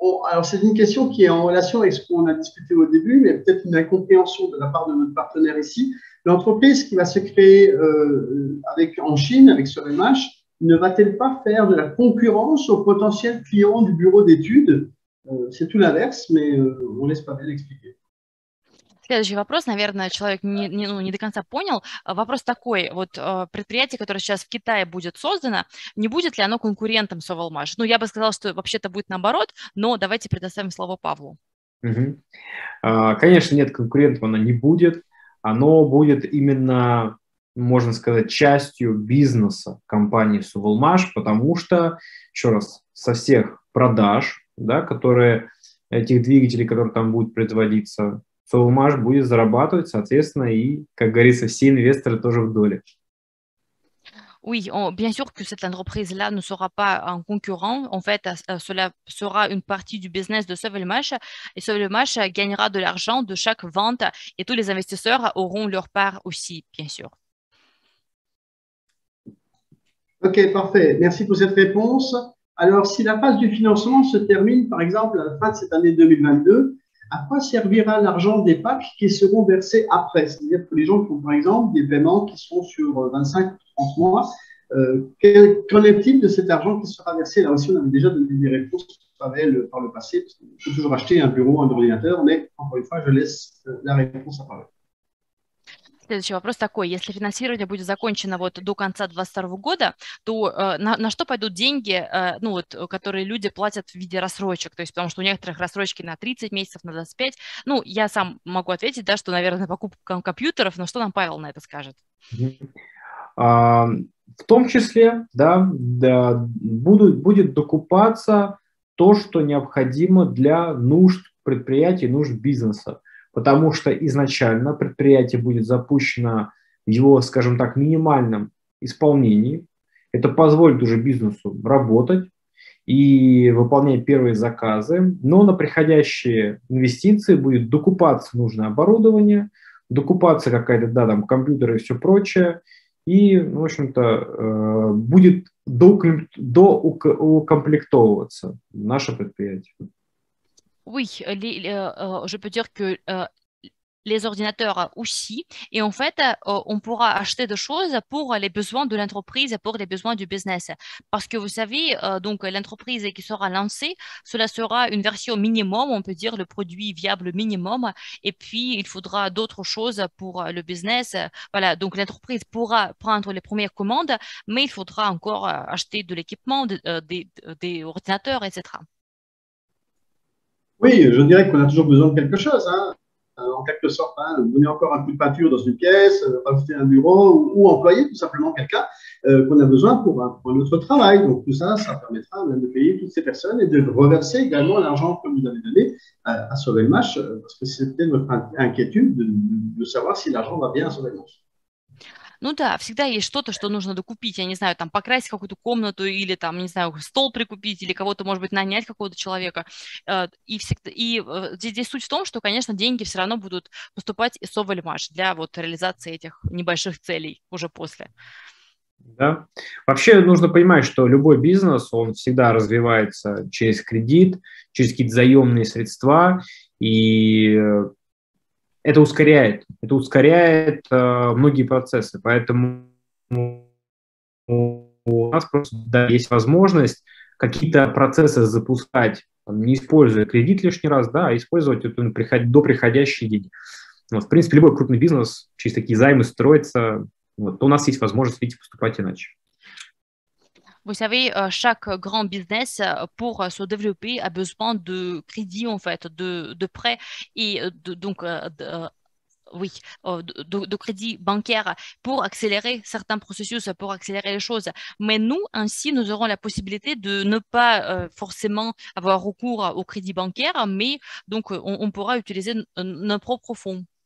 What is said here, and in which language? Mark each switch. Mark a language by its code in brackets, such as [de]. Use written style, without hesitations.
[fr] Alors, c'est une question qui est en relation avec ce qu'on a discuté au début, mais peut-être une incompréhension de la part de notre partenaire ici. L'entreprise qui va se créer en Chine, avec SurMH, ne va-t-elle pas faire de la concurrence aux potentiels clients du bureau d'études? C'est tout l'inverse, mais on laisse pas bien expliquer. [ru] Следующий вопрос, наверное, человек не до конца понял. Вопрос такой, вот предприятие, которое сейчас в Китае будет создано, не будет ли оно конкурентом Sovelmash? Ну, я бы сказала, что вообще-то будет наоборот, но давайте предоставим слово Павлу. Угу. Конечно, нет, конкурентом оно не будет. Оно будет именно, можно сказать, частью бизнеса компании Sovelmash, потому что, еще раз, со всех продаж, да, которые этих двигателей, которые там будут производиться, Sovelmash будет зарабатывать, соответственно, и, как говорится, все инвесторы тоже в доле. [fr] Oui, bien sûr que cette entreprise-là ne sera pas un concurrent. En fait, cela sera une partie du business de Sovelmash. Et Sovelmash gagnera de l'argent de chaque vente et tous les investisseurs auront leur part aussi, bien sûr. OK, parfait. Merci pour cette réponse. Alors, si la phase du financement se termine, par exemple, à la fin de cette année 2022, à quoi servira l'argent des PAC qui seront versés après? C'est-à-dire que les gens qui ont, par exemple, des paiements qui sont sur 25 ou 30 mois, qu'en est-il de cet argent qui sera versé? Là aussi, on avait déjà donné des réponses par le passé. On peut toujours acheter un bureau, un ordinateur, mais encore une fois, je laisse la réponse à parler. [ru] Следующий вопрос такой. Если финансирование будет закончено вот до конца 2022 года, то на что пойдут деньги, ну, вот, которые люди платят в виде рассрочек? То есть, потому что у некоторых рассрочки на 30 месяцев, на 25. Ну, я сам могу ответить, да, что, наверное, покупка компьютеров, но что нам Павел на это скажет? В том числе, да будет докупаться то, что необходимо для нужд предприятий, нужд бизнеса. Потому что изначально предприятие будет запущено в его, скажем так, минимальном исполнении. Это позволит уже бизнесу работать и выполнять первые заказы. Но на приходящие инвестиции будет докупаться нужное оборудование, докупаться какая-то, да, там, компьютеры и все прочее. И, в общем-то, будет доукомплектовываться наше предприятие. [fr] Oui, je peux dire que les ordinateurs aussi. Et en fait, on pourra acheter des choses pour les besoins de l'entreprise, pour les besoins du business. Parce que vous savez, donc l'entreprise qui sera lancée, cela sera une version minimum, on peut dire le produit viable minimum. Et puis, il faudra d'autres choses pour le business. Voilà, donc l'entreprise pourra prendre les premières commandes, mais il faudra encore acheter de l'équipement, des ordinateurs, etc. Oui, je dirais qu'on a toujours besoin de quelque chose. Hein. en quelque sorte, hein, donner encore un coup de peinture dans une pièce, rajouter un bureau ou employer tout simplement quelqu'un qu'on a besoin pour notre travail. Donc tout ça, ça permettra même de payer toutes ces personnes et de reverser également l'argent que vous avez donné à Sauvelmash, parce que c'était notre inquiétude de savoir si l'argent va bien à Sauvelmash. [ru] Ну да, всегда есть что-то, что нужно докупить, я не знаю, там покрасить какую-то комнату или там, не знаю, стол прикупить или кого-то, может быть, нанять какого-то человека. И всегда, и здесь суть в том, что, конечно, деньги все равно будут поступать из Совельмаш для вот реализации этих небольших целей уже после. Да. Вообще нужно понимать, что любой бизнес, он всегда развивается через кредит, через какие-то заемные средства, и это ускоряет многие процессы, поэтому у нас просто, да, есть возможность какие-то процессы запускать, там, не используя кредит лишний раз, да, а использовать это до приходящие деньги. Вот, в принципе, любой крупный бизнес через такие займы строится, вот, у нас есть возможность, видите, поступать иначе. [fr] Vous savez, chaque grand business, pour se développer, a besoin de crédit, en fait, de prêt, et de crédit bancaire pour accélérer certains processus, pour accélérer les choses. Mais nous, ainsi, nous aurons la possibilité de ne pas forcément avoir recours au crédit bancaire, mais donc on pourra utiliser nos propres fonds.